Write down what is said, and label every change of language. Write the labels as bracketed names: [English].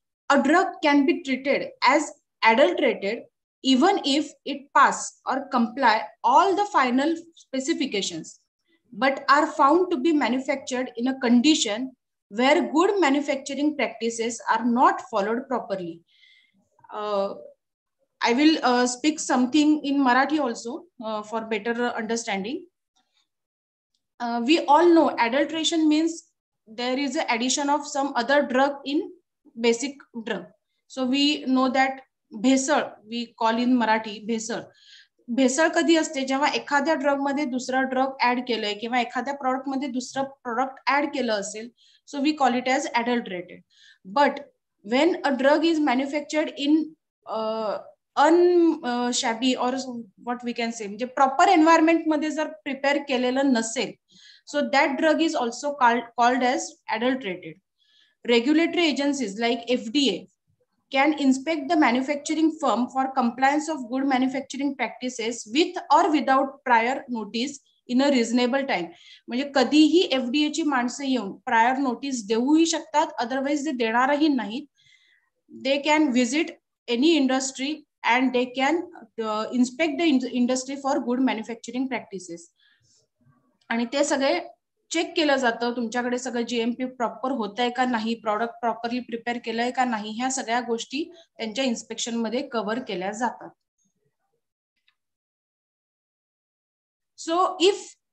[English] A drug can be treated as adulterated even if it pass or comply all the final specifications, but are found to be manufactured in a condition where good manufacturing practices are not followed properly. I will speak something in Marathi also for better understanding. We all know adulteration means there is an addition of some other drug in basic drug. So we know that [Marathi] भेसळ [English] we call in Marathi [Marathi] भेसळ भेसळ कधी असते जेव्हा एखाद्या drug मध्ये दुसरा drug add केलंय किंवा एखाद्या प्रॉडक्ट मध्ये दुसरा प्रॉडक्ट ऍड केलं असेल [English] so we call it as adulterated but when a drug is manufactured in unshabby or what we can say [Marathi] म्हणजे प्रॉपर एन्व्हायरमेंट मध्ये जर प्रिपेअर केलेलं नसेल [English] So that drug is also called as adulterated regulatory agencies like FDA can inspect the manufacturing firm for compliance of good manufacturing practices with or without prior notice in a reasonable time. [Marathi] म्हणजे कधीही FDA ची माणसं येऊन [English] prior notice [Marathi] देऊही शकतात, otherwise ते देणारही नाहीत. [English] They can visit any industry and they can inspect the industry for good manufacturing practices. [Marathi] आणि ते सगळे चेक केलं जातं तुमच्याकडे सगळं जीएमपी प्रॉपर होत आहे का नाही प्रॉडक्ट प्रॉपरली प्रिपेअर केलंय का नाही ह्या सगळ्या गोष्टी त्यांच्या इन्स्पेक्शन मध्ये कव्हर केल्या जातात [English] so if